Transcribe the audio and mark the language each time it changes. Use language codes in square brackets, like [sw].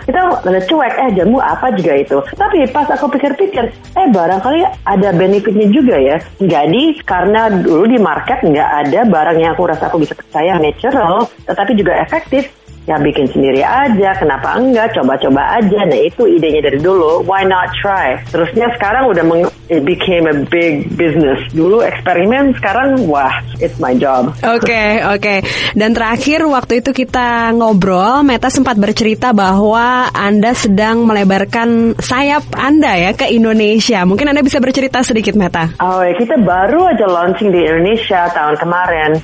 [id] Kita udah cuek, jamu apa juga itu. Tapi pas aku pikir-pikir, barangkali ada benefitnya juga ya. Jadi, karena dulu di market nggak ada barang yang aku rasa aku bisa percaya natural, tetapi juga efektif, ya bikin sendiri aja, kenapa enggak, coba-coba aja. Nah itu idenya dari dulu, [en] why not try. [id] Terusnya sekarang udah [en] it became a big business. [id] Dulu eksperimen, sekarang wah, [en] it's my job. Okay. [id] Dan terakhir waktu itu kita ngobrol, Meta sempat bercerita bahwa Anda sedang melebarkan sayap Anda ya ke Indonesia. Mungkin Anda bisa bercerita sedikit, Meta. Oh, kita baru aja launching di Indonesia tahun kemarin.